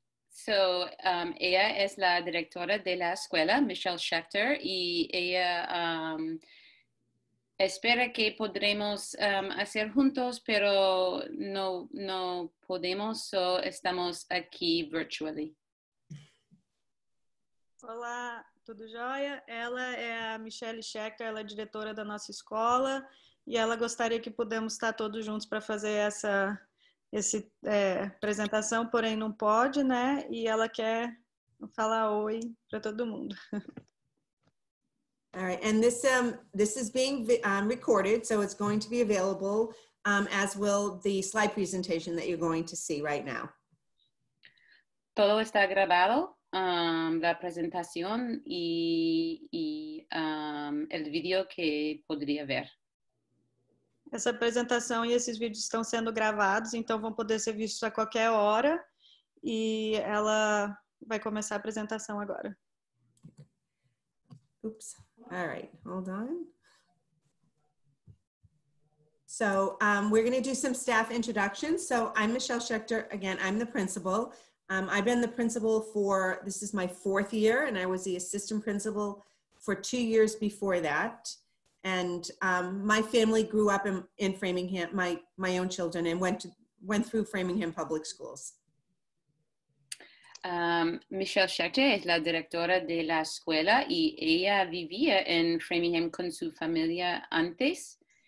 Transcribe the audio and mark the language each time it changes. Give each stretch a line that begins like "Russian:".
Spanish: So ella es la directora de la escuela, Michelle Schechter, y ella espera que podremos hacer juntos, pero no podemos, so estamos aquí virtually.
Portuguese: Olá, tudo jóia? Ela é a Michelle Schechter, ela é diretora da nossa escola, e ela gostaria que pudemos estar todos juntos para fazer essa... esse é, apresentação, porém não pode, né? E ela quer falar oi para todo mundo.
English: All right, and this this is being recorded, so it's going to be available, as will the slide presentation that you're going to see right now.
Spanish: Todo está grabado, la presentación y el video que podría ver.
Portuguese: Essa apresentação e esses vídeos estão sendo gravados, então vão poder ser vistos a qualquer hora. E ela vai começar a apresentação agora.
English: Oops. All right. Hold on. So, we're going to do some staff introductions. So, I'm Michelle Schechter. Again, I'm the principal. I've been the principal for, this is my fourth year, and I was the assistant principal for 2 years before that. And my family grew up in Framingham, my own children, and went through Framingham Public Schools.
Spanish: Michelle Schechter es la directora de la escuela y ella vivía en Framingham con su familia antes.